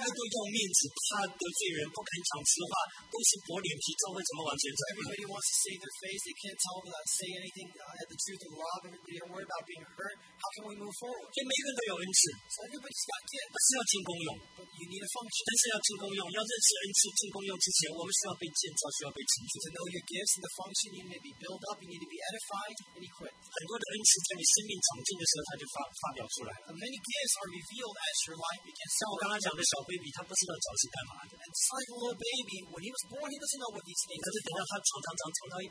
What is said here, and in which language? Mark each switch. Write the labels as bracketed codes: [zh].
[zh] 这么多要面子，怕得罪人，不肯讲实话，都是薄脸皮，教会怎么往前走？ [en] Everybody wants to save their face. They can't tell them to say anything at the truth of love. Everybody are worried about being hurt. How can we move forward? [zh] 所以每一个人都有恩赐。 [en] So everybody's got gifts. [zh] 不是要进攻用。 [en] But you need a function. [zh] 但是要进功用，要认识恩赐进功用之前，我们需要被建造，需要被成就。 [en] To know your gifts and the function, you need to be built up, you need to be edified and equipped. [zh] 很多的恩赐在你生命长进的时候，它就发表出来了。 [en] And many gifts are revealed as your life begins. [zh] 像我刚刚讲的小 baby， 他不知道脚是干嘛的。 [en] And just like a little baby, when he was born, he doesn't know what these things are.